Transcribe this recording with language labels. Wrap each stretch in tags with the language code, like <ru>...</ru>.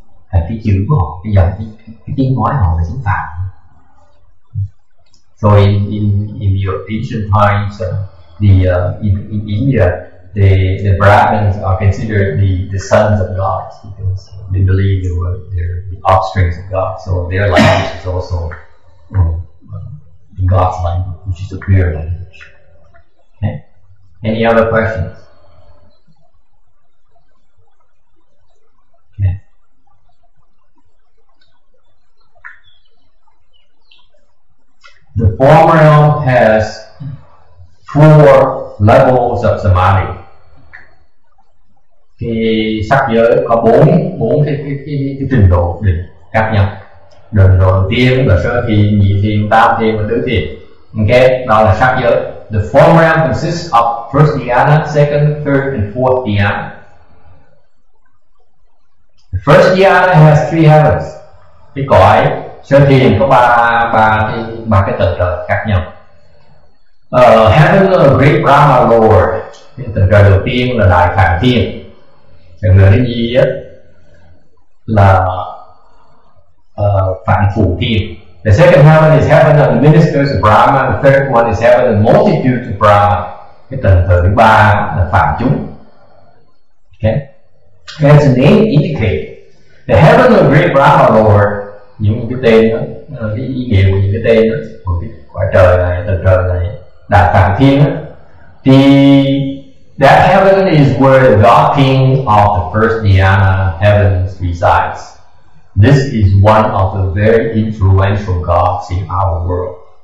<vi>Là cái chữ của họ, cái dòng, cái tiếng nói họ là chính phản.</vi> <en>So in your ancient times, in India, the Brahmins are considered the sons of God because they believe they're the offspring of God. So their language is also God's language, which is a pure language. Okay. Any other questions? Okay. The form realm has four levels of samadhi.</en> <vi>Thì sắc giới có bốn cái trình độ định khác nhau. Trình độ đầu tiên là sơ thiền, nhị thiền, tam thiền và tứ thiền. Okay, đó là sắc giới.</vi> <en>The form realm consists of first dhyana, second, third and fourth dhyana. The first dhyana has three heavens.</en> <vi>Cái cõi sơ thiền có ba cái tầng trời khác nhau.</vi> <en>Heaven of Great Brahma Lord,</en> <vi>tầng trời đầu tiên là đại phạm thiên. Tầng trời thứ nhì là phạm phủ thiên.</vi> <en>The second heaven is heaven of the ministers of Brahma. The third one is heaven of the multitude of Brahma.</en> <vi>Cái tầng trời thứ ba là phạm chúng. Okay.</vi> <en>As the name indicates, the heaven of Great Brahma Lord,</en> <vi>những cái tên đó, cái ý nghĩa của những cái tên đó, của cái quả trời này, tầng trời này, đại phạm thiên đó, thì</vi> <en>that heaven is where the God King of the first dhyana heavens resides. This is one of the very influential gods in our world.</en>